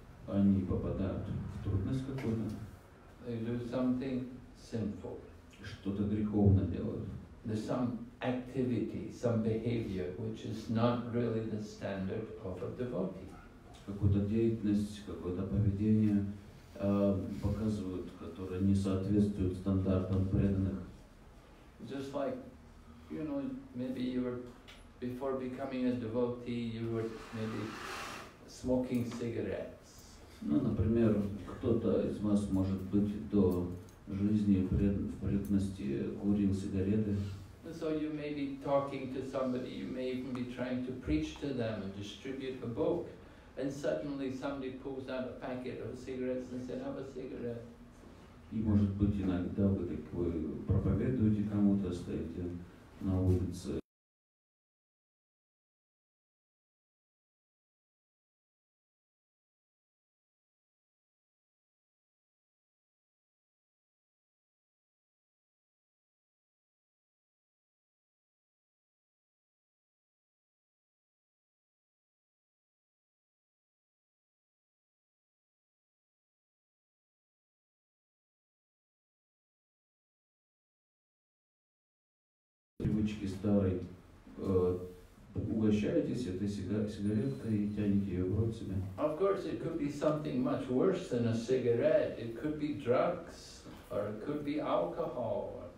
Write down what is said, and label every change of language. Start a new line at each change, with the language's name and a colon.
Russian: Они попадают в трудность какую-то.
English: They do something sinful.
Russian: Что-то греховное делают.
English: There's some activity, some behavior which is not really the standard of a devotee.
Russian: Какую-то деятельность, какое-то поведение показывают, которые не соответствуют стандартам преданных.
English: Just like, you know, maybe you were before becoming a devotee, you were maybe smoking cigarettes.
Russian: Ну, например, кто-то из вас может быть до жизни в преданности курил сигареты.
English: So you may be talking to somebody, you may even be trying to preach to them and distribute a book. And suddenly somebody pulls out a packet of cigarettes and says, "Have a cigarette."
Russian: И может быть иногда вы так проповедуете кому-то, стоите на улице. Привычки старой, угощаетесь этой сигареткой и тянете ее в рот себе.
English: Of course, it could be something much worse than a cigarette. It could be drugs, or it could be alcohol.